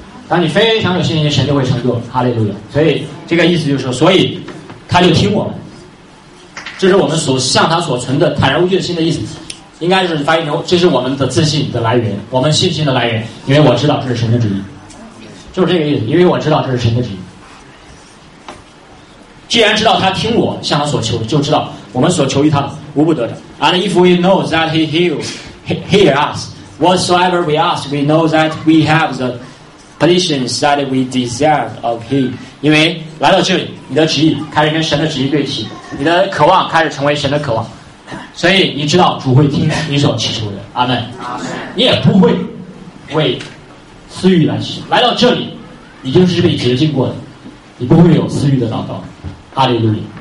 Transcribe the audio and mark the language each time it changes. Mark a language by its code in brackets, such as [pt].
[zh] 当你非常有信心，神就会成就，哈利路亚。所以这个意思就是说，所以他就听我们，这是我们所向他所存的坦然无惧的心的意思。应该是翻译成，这是我们的自信的来源，我们信心的来源，因为我知道这是神的旨意，就是这个意思。因为我知道这是神的旨意，既然知道他听我向他所求，就知道我们所求于他无不得着。 [en] And if we know that he hear us whatsoever we ask, we know that we have the petitions that we deserve of him. [zh] 因为来到这里，你的旨意开始跟神的旨意对齐，你的渴望开始成为神的渴望，所以你知道主会听你所祈求的。阿们。你也不会为私欲来祈求，来到这里你就是被洁净过的，你不会有私欲的祷告。哈利路亚。